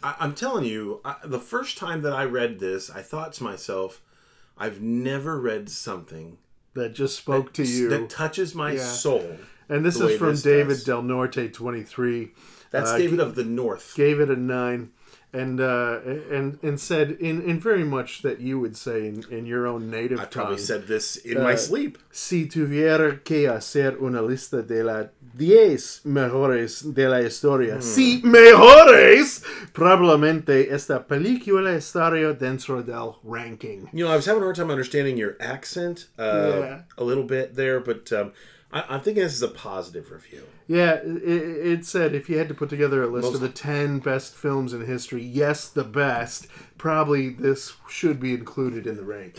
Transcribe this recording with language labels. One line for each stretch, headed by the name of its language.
English: I'm telling you, the first time that I read this, I thought to myself, I've never read something that just spoke to you. That touches my soul. And this is from David Del Norte, 23. That's David of the North. Gave it a 9. And said, in very much that you would say in your own native tongue. I probably said this in my sleep.
Spanish: Si tuviera que hacer una lista de las 10 mejores de la historia. Si mejores, probablemente esta película estaría dentro del ranking.
English: You know, I was having a hard time understanding your accent a little bit there, but I'm thinking this is a positive review. Yeah, it said if you had to put together a list of the 10 best films in history, yes, the best, probably this should be included in the ranking.